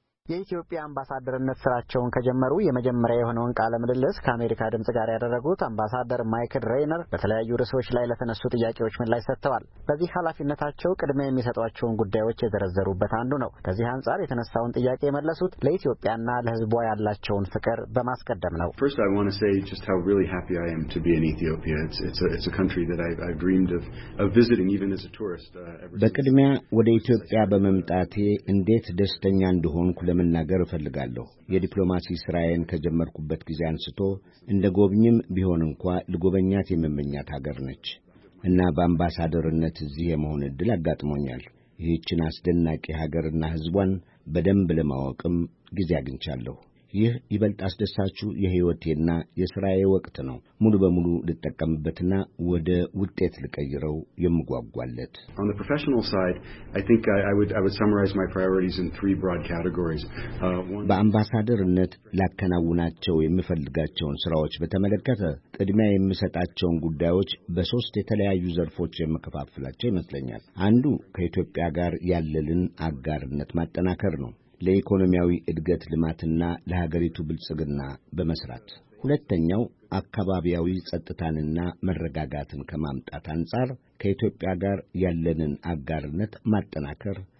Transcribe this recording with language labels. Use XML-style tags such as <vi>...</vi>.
<am>የኢትዮጵያ አምባሳደርነት ስራቸውን ከጀመሩ የመጀመሪያ የሆነውን ቃለ ምልልስ ከአሜሪካ ድምጽ ጋር ያደረጉት አምባሳደር ማይክል ሬነር በተለያዩ ርዕሶች ላይ ለተነሱ ጥያቄዎች ምላሽ ሰጥተዋል። በዚህ ኃላፊነታቸው ቅድሚያ የሚሰጧቸውን ጉዳዮች የተዘረዘሩበት አንዱ ነው። ከዚህ አንጻር የተነሳውን ጥያቄ መለሱት ለኢትዮጵያና ለሕዝቧ ያላቸውን ፍቅር በማስቀደም ነው።</am> <en>First I want to say just how really happy I am to be in Ethiopia. It's a country that I've dreamed of visiting even as a tourist.</en> <am>በቅድሚያ ወደ ኢትዮጵያ በመምጣቴ እንዴት ደስተኛ እንደሆነ ለመናገር እፈልጋለሁ። የዲፕሎማሲ ስራዬን ከጀመርኩበት ጊዜ አንስቶ እንደ ጎብኝም ቢሆን እንኳን ልጎበኛት የምመኛት ሀገር ነች እና በአምባሳደርነት እዚህ የመሆን እድል አጋጥሞኛል። ይህችን አስደናቂ ሀገርና ህዝቧን በደንብ ለማወቅም ጊዜ አግኝቻለሁ። ይህ ይበልጥ አስደሳች የህይወቴና የስራዬ ወቅት ነው። ሙሉ በሙሉ ልጠቀምበትና ወደ ውጤት ልቀይረው የምጓጓለት።</am> <en>On the professional side, I think I would summarize my priorities in three broad categories.</en> <am>በአምባሳደርነት ላከናውናቸው የምፈልጋቸውን ስራዎች በተመለከተ ቅድሚያ የምሰጣቸውን ጉዳዮች በሶስት የተለያዩ ዘርፎች የምከፋፍላቸው ይመስለኛል። አንዱ ከኢትዮጵያ ጋር ያለልን አጋርነት ማጠናከር ነው። ለኢኮኖሚያዊ እድገት ልማትና ለሀገሪቱ ብልጽግና በመስራት። ሁለተኛው አካባቢያዊ ጸጥታንና መረጋጋትን ከማምጣት አንጻር ከኢትዮጵያ ጋር ያለንን አጋርነት ማጠናከር፣</am>